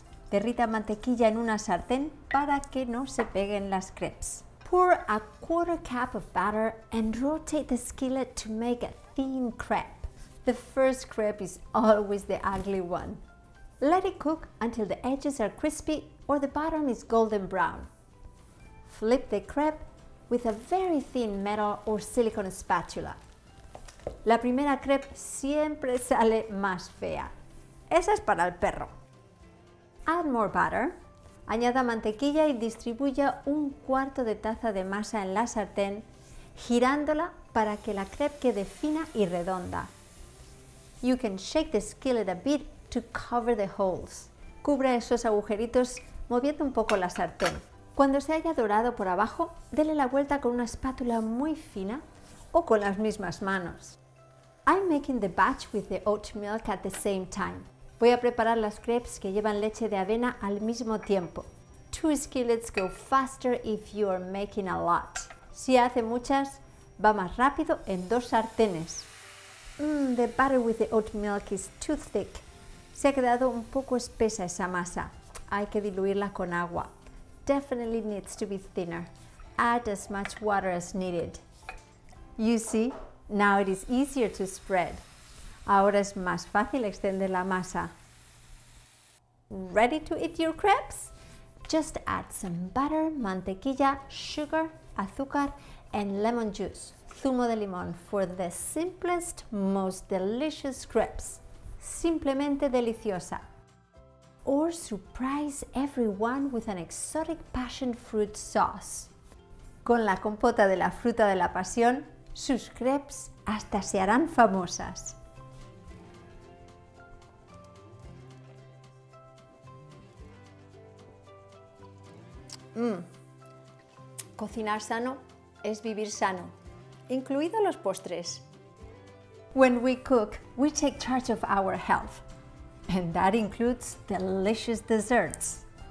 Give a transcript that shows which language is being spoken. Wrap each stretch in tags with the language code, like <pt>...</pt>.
<es>Derrita mantequilla en una sartén para que no se peguen las crepes.</es> <en>Pour a quarter cup of butter and rotate the skillet to make a thin crepe. The first crepe is always the ugly one. Let it cook until the edges are crispy or the bottom is golden brown. Flip the crepe with a very thin metal or silicone spatula.</en> <es>La primera crepe siempre sale más fea. Esa es para el perro.</es> <en>Add more butter.</en> <es>Añada mantequilla y distribuya un cuarto de taza de masa en la sartén, girándola para que la crepe quede fina y redonda.</es> <en>You can shake the skillet a bit to cover the holes.</en> <es>Cubra esos agujeritos moviendo un poco la sartén. Cuando se haya dorado por abajo, dele la vuelta con una espátula muy fina o con las mismas manos.</es> <en>I'm making the batch with the oat milk at the same time.</en> <es>Voy a preparar las crepes que llevan leche de avena al mismo tiempo.</es> <en>Two skillets go faster if you are making a lot.</en> <es>Si hace muchas, va más rápido en dos sartenes.</es> <en>The butter with the oat milk is too thick.</en> <es>Se ha quedado un poco espesa esa masa. Hay que diluirla con agua.</es> <en>Definitely needs to be thinner. Add as much water as needed. You see, now it is easier to spread.</en> <es>Ahora es más fácil extender la masa.</es> <en>Ready to eat your crepes? Just add some butter, mantequilla, sugar, azúcar, and lemon juice.</en> <es>Zumo de limón</es> <en>for the simplest, most delicious crepes.</en> <es>Simplemente deliciosa.</es> <en>Or surprise everyone with an exotic passion fruit sauce.</en> <es>Con la compota de la fruta de la pasión, sus crepes hasta se harán famosas. Cocinar sano es vivir sano. Incluidos los postres.</es> <en>When we cook, we take charge of our health. And that includes delicious desserts.</en>